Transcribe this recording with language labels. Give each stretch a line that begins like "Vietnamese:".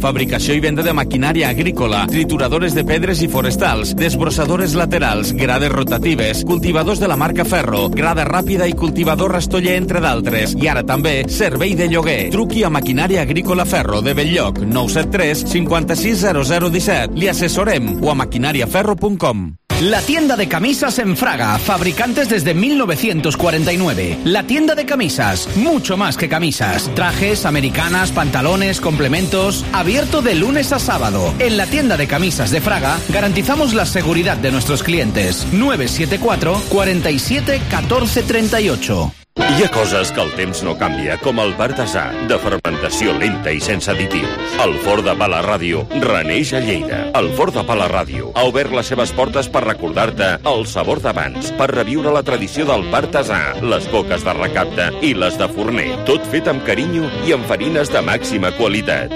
Catalan: Fabricació i venda de maquinària agrícola, trituradores de pedres i forestals, desbrossadores laterals, grades rotatives, cultivadors de la marca Ferro, grada ràpida i cultivador rastoller, entre d'altres. I ara també, servei de lloguer. Truqui a Maquinària Agrícola Ferro de Belllloc, 973-560017. Li assessorem, o a maquinariaferro.com.
Spanish: La tienda de camisas en Fraga, fabricantes desde 1949. La tienda de camisas, mucho más que camisas. Trajes, americanas, pantalones, complementos. Abierto de lunes a sábado. En la tienda de camisas de Fraga garantizamos la seguridad de nuestros clientes. 974-47-1438.
Catalan: Hi ha coses que el temps no canvia, com el bartesà, de fermentació lenta i sense additius. El Forn de Pala Ràdio reneix a Lleida. El Forn de Pala Ràdio ha obert les seves portes per recordar-te el sabor d'abans, per reviure la tradició del bartesà, les coques de recapte i les de forner, tot fet amb carinyo i amb farines de màxima qualitat.